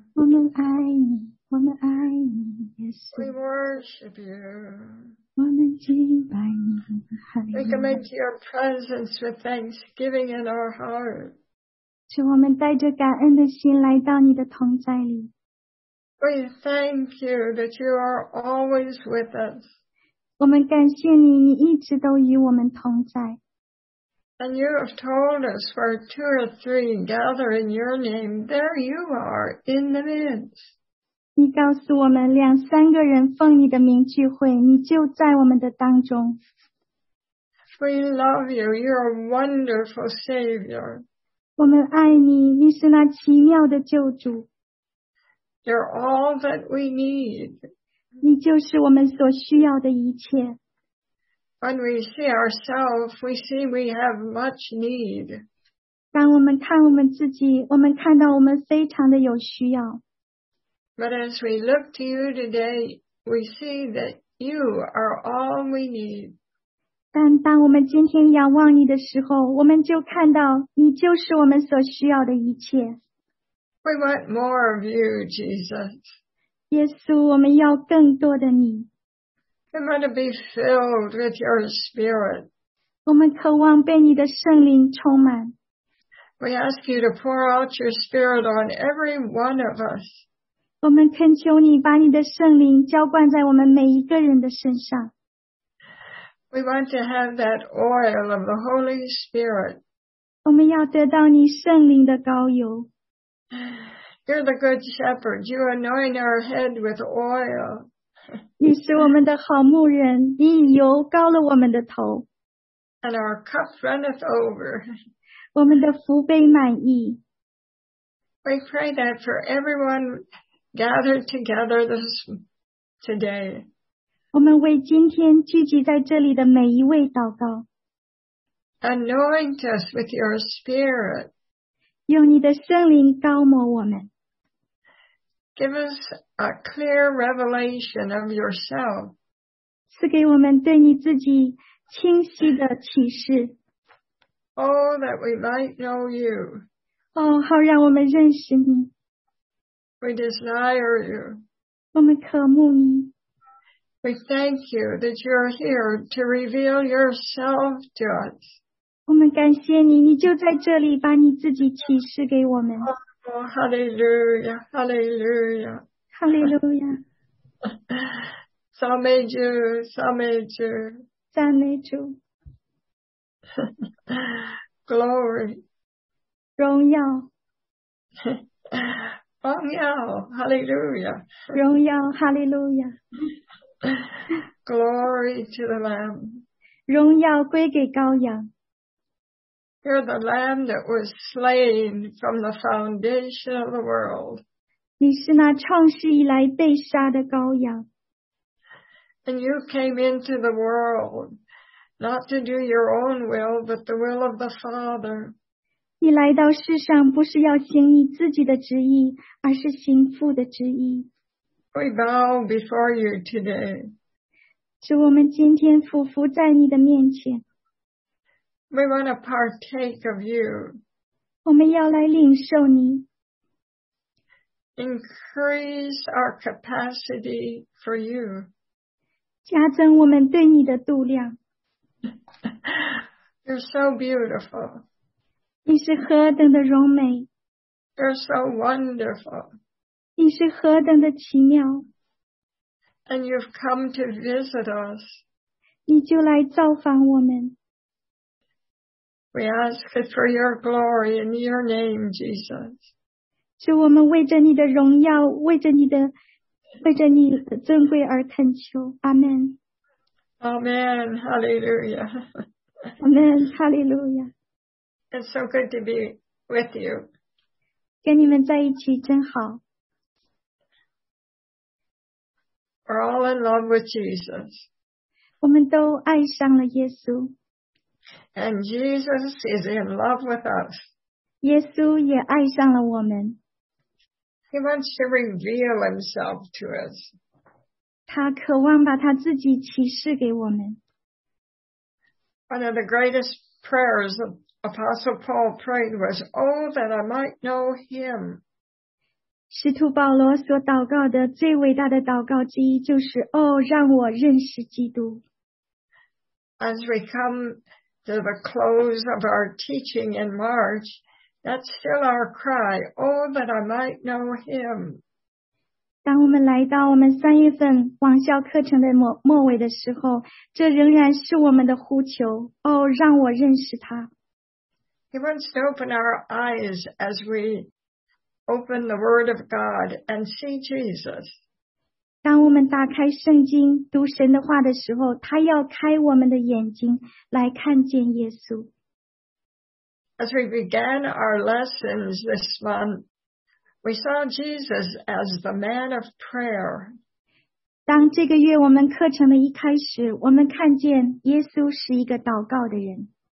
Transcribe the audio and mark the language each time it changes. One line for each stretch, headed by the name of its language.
Chinese: 我们爱你，我们爱你，耶稣。
English: We worship you.
Chinese: 我们敬拜你。
English: We commit to your presence with thanksgiving in our heart.
Chinese: 主，我们带着感恩的心来到你的同在里。
English: We thank you that you are always with us.
Chinese: 我们感谢你，你一直都与我们同在。
English: And you have told us where two or three gather in your name, there you are in the midst.
Chinese: 你告诉我们两三个人奉你的名聚会，你就在我们的当中。
English: We love you, you're a wonderful Savior.
Chinese: 我们爱你，你是那奇妙的救主。
English: You're all that we need.
Chinese: 你就是我们所需要的一切。
English: When we see ourselves, we see we have much need.
Chinese: 当我们看我们自己，我们看到我们非常的有需要。
English: But as we look to you today, we see that you are all we need.
Chinese: 但当我们今天仰望你的时候，我们就看到你就是我们所需要的一切。
English: We want more of you, Jesus.
Chinese: 耶稣，我们要更多的你。
English: We want to be filled with your spirit.
Chinese: 我们渴望被你的圣灵充满。
English: We ask you to pour out your spirit on every one of us.
Chinese: 我们恳求你把你的圣灵浇灌在我们每一个人的身上。
English: We want to have that oil of the Holy Spirit.
Chinese: 我们要得到你圣灵的膏油。
English: You're the good shepherd. You anoint our head with oil.
Chinese: 你是我们的好牧人，你以油膏了我们的头。
English: And our cup runneth over.
Chinese: 我们的福杯满溢。
English: We pray that for everyone gathered together this today.
Chinese: 我们为今天聚集在这里的每一位祷告。
English: Anoint us with your spirit.
Chinese: 用你的圣灵膏抹我们。
English: Give us a clear revelation of yourself.
Chinese: 赐给我们对你自己清晰的启示。
English: Oh, that we might know you.
Chinese: 哦，好让我们认识你。
English: We desire you.
Chinese: 我们渴慕你。
English: We thank you that you're here to reveal yourself to us.
Chinese: 我们感谢你，你就在这里把你自己启示给我们。
English: Oh, hallelujah, hallelujah. Hallelujah.
Chinese: 赞美主，赞美主。赞美主。
English: Glory.
Chinese: 荣耀。荣耀 hallelujah. 荣耀 hallelujah.
English: Glory to the Lamb.
Chinese: 荣耀归给羔羊。
English: You're the Lamb that was slain from the foundation of the world.
Chinese: 你是那创世以来被杀的羔羊。
English: And you came into the world, not to do your own will, but the will of the Father.
Chinese: 你来到世上不是要行你自己的旨意，而是行父的旨意。
English: We bow before you today.
Chinese: 主，我们今天俯伏在你的面前。
English: We want to partake of you.
Chinese: 我们要来领受你。
English: Increase our capacity for you.
Chinese: 加增我们对你的度量。
English: You're so beautiful.
Chinese: 你是何等的荣美。
English: You're so wonderful.
Chinese: 你是何等的奇妙。
English: And you've come to visit us.
Chinese: 你就来造访我们。
English: We ask it for your glory in your name, Jesus.
Chinese: 主，我们为着你的荣耀，为着你的尊贵而恳求。
English: Amen. Amen. Hallelujah. Amen. Hallelujah. It's so good to be with you.
Chinese: 跟你们在一起真好。
English: We're all in love with Jesus.
Chinese: 我们都爱上了耶稣。
English: And Jesus is in love with us.
Chinese: 耶稣也爱上了我们。
English: He wants to reveal himself to us.
Chinese: 他渴望把他自己启示给我们。
English: One of the greatest prayers of Apostle Paul prayed was, Oh, that I might know him.
Chinese: 使徒保罗所祷告的最伟大的祷告之一就是，哦，让我认识基督。
English: As we come to the close of our teaching in March, that's still our cry, Oh, that I might know him.
Chinese: 当我们来到我们三月份网校课程的末尾的时候，这仍然是我们的呼求，哦，让我认识他。
English: He wants to open our eyes as we open the Word of God and see Jesus.
Chinese: 当我们打开圣经，读神的话的时候，他要开我们的眼睛，来看见耶稣。
English: As we began our lessons this month, we saw Jesus as the man of prayer.
Chinese: 当这个月我们课程的一开始，我们看见耶稣是一个祷告的人。